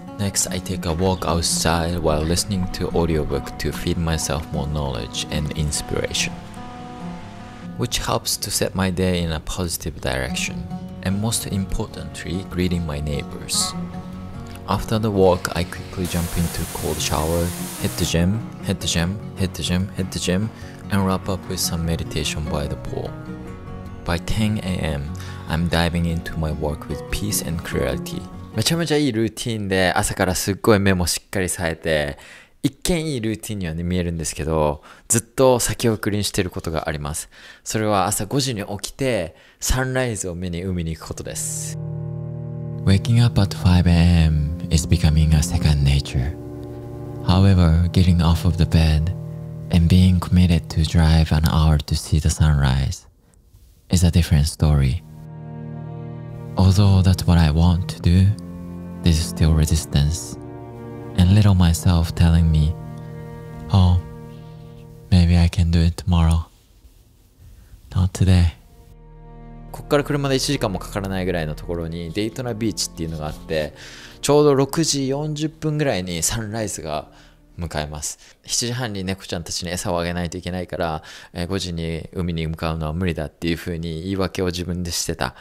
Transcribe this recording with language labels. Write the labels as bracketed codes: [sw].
[en] Next, I take a walk outside while listening to audiobook to feed myself more knowledge and inspiration, which helps to set my day in a positive direction, and most importantly, greeting my neighbors. After the walk, I quickly jump into cold shower, hit the gym, hit the gym, hit the gym, hit the gym, and wrap up with some meditation by the pool. By 10 a.m., I'm diving into my work with peace and clarity. [ja] めちゃめちゃいいルーティーンで、朝からすっごい目もしっかりさえて、一見いいルーティーンには、ね、見えるんですけど、ずっと先送りにしてることがあります。それは朝5時に起きて、サンライズを目に海に行くことです。 [en] Waking up at 5 a.m. is becoming a second nature. However, getting off of the bed and being committed to drive an hour to see the sunrise is a different story. Although that's what I want to do, there's still resistance and little myself telling me, oh, maybe I can do it tomorrow. Not today. [ja] ここから車で1時間もかからないぐらいのところにデイトナビーチっていうのがあって、ちょうど6時40分ぐらいにサンライズが迎えます。 7時半に猫ちゃんたちに餌をあげないといけないから、5時に海に向かうのは無理だっていう風に言い訳を自分でしてた。